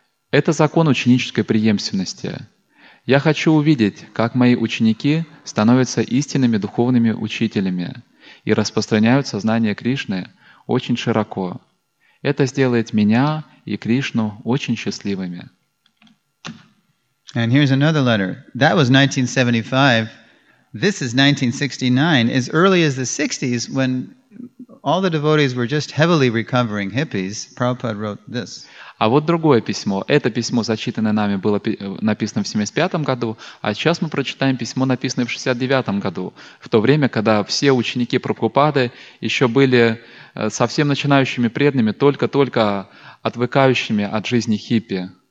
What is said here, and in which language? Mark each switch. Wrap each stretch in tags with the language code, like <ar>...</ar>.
<ru>Это закон ученической преемственности. Я хочу увидеть, как мои ученики становятся истинными духовными учителями и распространяют сознание Кришны очень широко. Это сделает меня и Кришну очень счастливыми.</ru> <en>And here's another letter. That was 1975. This is 1969, as early as the 60s, when all the devotees were just heavily recovering hippies, Prabhupada wrote this.</en> <ru>А вот другое письмо. Это письмо, зачитанное нами, было написано в 75-м году, а сейчас мы прочитаем письмо, написанное в 69-м году, в то время, когда все ученики Прабхупады еще были совсем начинающими преданными, только-только отвыкающими от жизни хиппи.</ru>